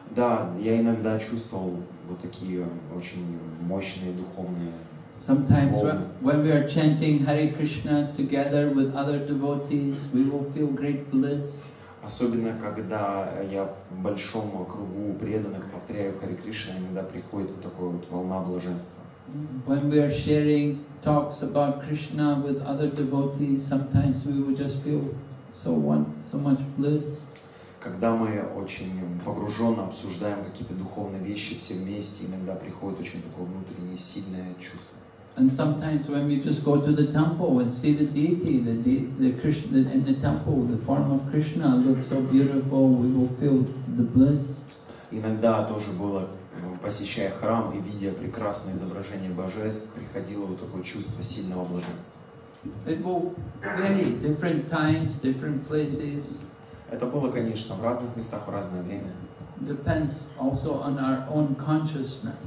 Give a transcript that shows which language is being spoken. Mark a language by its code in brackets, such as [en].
[ru] Да, я иногда чувствовал вот такие очень мощные духовные. [en] Sometimes when we are chanting Hare Krishna together with other devotees, we will feel great bliss. [ru] Особенно, когда я в большом кругу преданных повторяю Харе Кришна, иногда приходит вот такая вот волна блаженства. [en] When we are sharing talks about Krishna with other devotees, sometimes we will just feel so much bliss. [ru] Когда мы очень погруженно обсуждаем какие-то духовные вещи все вместе, иногда приходит очень такое внутреннее сильное чувство. [en] And sometimes when we just go to the temple and see the deity, the Krishna in the temple, the form of Krishna looks so beautiful, we will feel the bliss. [ru] Иногда тоже было, посещая храм и видя прекрасное изображение божеств, приходило вот такое чувство сильного блаженства. [en] It will vary different times, different places. [ru] Это было, конечно, в разных местах, в разное время. [en] Depends also on our own consciousness.